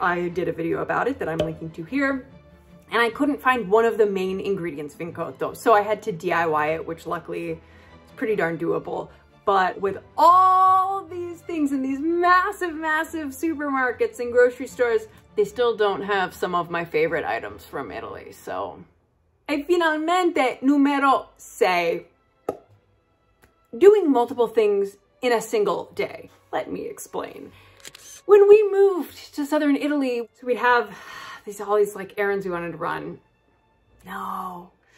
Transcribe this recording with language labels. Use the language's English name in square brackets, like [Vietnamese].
[English] I did a video about it that I'm linking to here. And I couldn't find one of the main ingredients, vincotto. So I had to DIY it, which luckily is pretty darn doable. But with all these things in these massive, massive supermarkets and grocery stores, they still don't have some of my favorite items from Italy, so. [Italian] E finalmente, numero sei. [English] Doing multiple things in a single day. Let me explain. When we moved to Southern Italy, so we'd have all these like errands we wanted to run. No.